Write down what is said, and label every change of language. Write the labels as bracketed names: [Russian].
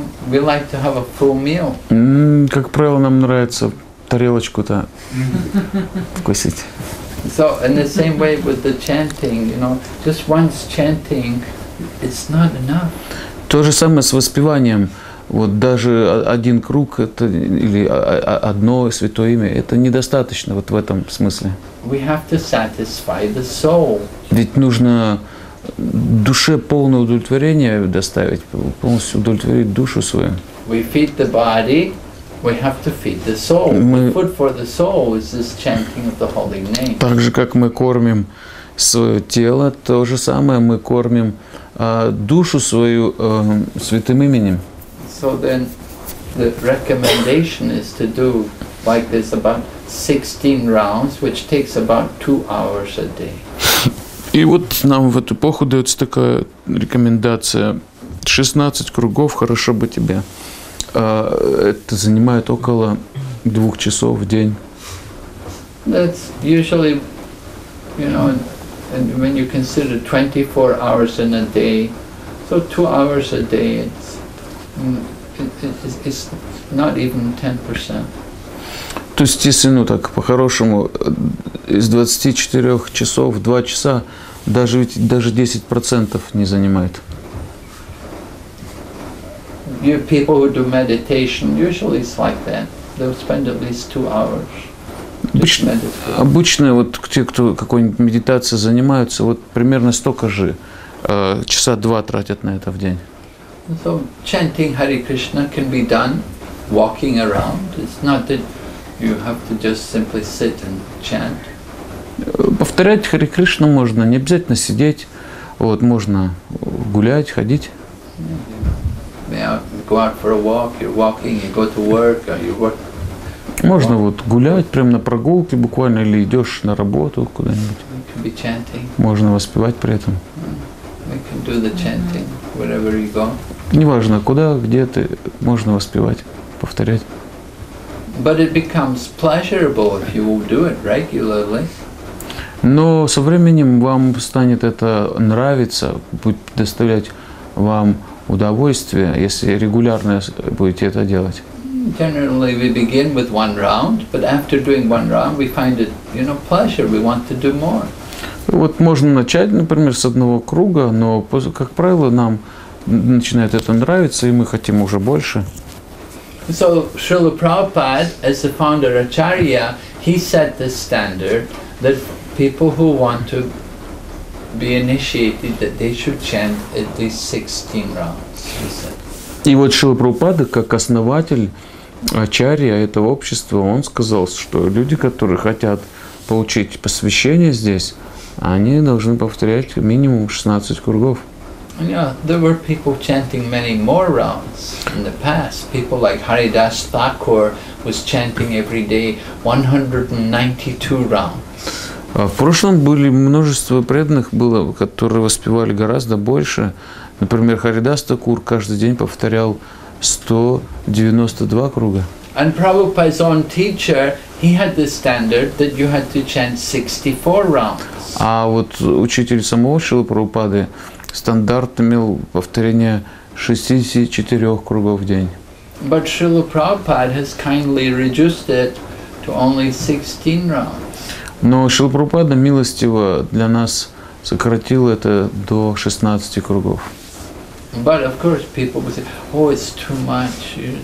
[English] We like to have a full meal. [Russian] Как правило, нам нравится тарелочку-то вкусить. [English] So, in the same way with the chanting, you know, just once chanting, it's not enough. [Russian] То же самое с воспеванием. Вот даже один круг это, или одно святое имя, это недостаточно вот в этом смысле. [English] We have to satisfy the soul. [Russian] Ведь нужно душе полное удовлетворение доставить, полностью удовлетворить душу свою. [English] We feed the body, we have to feed the soul. [Russian] Мы, [English] the food for the soul is this chanting of the holy name. [Russian] Так же, как мы кормим свое тело, то же самое мы кормим душу свою святым именем. [English] So then the recommendation is to do like this about 16 rounds, which takes about 2 hours a day. [Russian] И вот нам в эту эпоху дается такая рекомендация. 16 кругов, хорошо бы тебе. Это занимает около 2 часов в день. [English] That's usually, you know, and when you consider 24 hours in a day, so 2 hours a day, it's not even 10%. [Russian] То есть, если, ну так, по-хорошему, из 24 часов, 2 часа, даже 10% не занимает. [English] You people who do meditation, usually it's like that. They'll spend at least 2 hours. [Russian] Обычно вот те, кто какой-нибудь медитацией занимаются, вот примерно столько же, часа 2 тратят на это в день. [English] So, chanting Hare Krishna can be done walking around. It's not that you have to just simply sit and chant. [Russian] Повторять Хари Кришну можно, не обязательно сидеть. Вот можно гулять, ходить. [English] Yeah, go out for a walk, you're walking, you go to work, or you work. [Russian] Можно вот гулять прямо на прогулке буквально или идёшь на работу куда-нибудь. [English] You can be chanting. [Russian] Можно воспевать при этом. [English] You can do the chanting wherever you go. [Russian] Неважно куда, где ты, можно воспевать, повторять. [English] But it becomes pleasurable if you will do it regularly. [Russian] Но со временем вам станет это нравиться, будет доставлять вам удовольствие, если регулярно будете это делать. [English] Generally we begin with one round, but after doing one round we find it, you know, pleasure, we want to do more. [Russian] Вот можно начать, например, с одного круга, но, как правило, нам начинает это нравиться, и мы хотим уже больше. [English] So Srila Prabhupada, as the founder of Acharya, he set the standard that people who want to be initiated, that they should chant at least 16 rounds, he said. [Russian] И вот Шрила Прабхупада, как основатель Ачарья этого общества, он сказал, что люди, которые хотят получить посвящение здесь, они должны повторять минимум 16 кругов. [English] Yeah, there were people chanting many more rounds in the past. People like Haridas Thakur was chanting every day 192 rounds. [Russian] В прошлом были множество преданных, было, которые воспевали гораздо больше. Например, Харидас Такур каждый день повторял 192 круга. [English] And Prabhupada's own teacher, he had the standard that you had to chant 64 rounds. [Russian] А вот учитель самого Шрилы Прабхупады стандарт имел повторение 64 кругов в день. [English] But Srila Prabhupada has kindly reduced it to only 16 rounds. [Russian] Но Шрила Прабхупада милостиво для нас сократил это до 16 кругов. [English] But of course people would say, oh, it's too much.